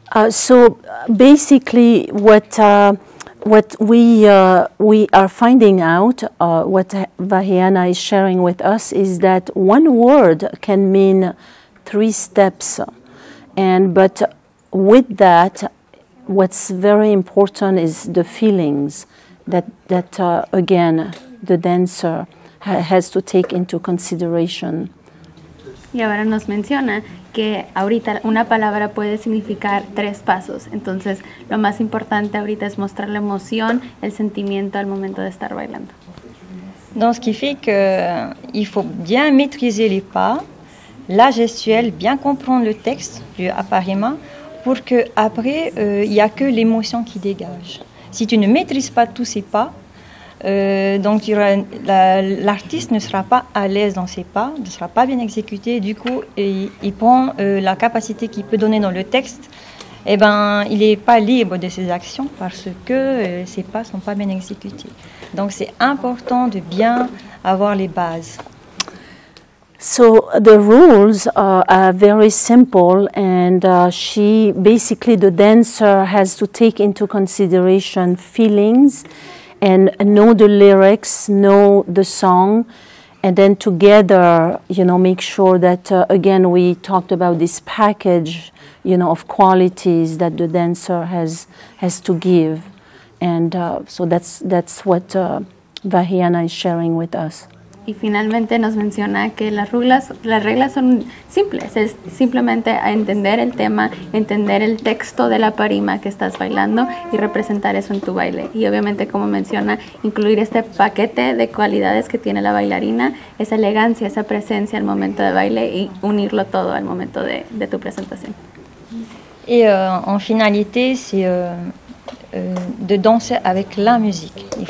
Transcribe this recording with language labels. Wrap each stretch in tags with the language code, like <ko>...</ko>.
<en>So basically, what we are finding out, what Vahiana is sharing with us, is that one word can mean three steps, but with that, what's very important is the feelings, again, the dancer has to take into consideration.</en> <es>Y ahora nos menciona que ahorita una palabra puede significar tres pasos. Entonces, lo más importante ahorita es mostrar la emoción, el sentimiento al momento de estar bailando.</es> <fr>Donc, ce qui fait que il faut bien maîtriser les pas, la gestuelle, bien comprendre le texte du Aparima, pour que après, il y a que l'émotion qui dégage. Si tu ne maîtrises pas tous ces pas, donc l'artiste ne sera pas à l'aise dans ses pas, ne sera pas bien exécuté. Du coup, il prend la capacité qu'il peut donner dans le texte. Eh ben, il n'est pas libre de ses actions parce que ses pas sont pas bien exécutés. Donc, c'est important de bien avoir les bases.</fr> <en>So the rules are very simple, and she basically the dancer has to take into consideration feelings. And know the lyrics, know the song, and then together, you know, make sure that, again, we talked about this package, you know, of qualities that the dancer has to give. And so that's what Vahiana is sharing with us.</en> <es>Y finalmente nos menciona que las reglas son simples. Es simplemente entender el tema, entender el texto de la parima que estás bailando y representar eso en tu baile. Y obviamente, como menciona, incluir este paquete de cualidades que tiene la bailarina, esa elegancia, esa presencia al momento de baile y unirlo todo al momento de tu presentación.</es> <fr>Y en finalité, c'est de danser avec la musique.</fr>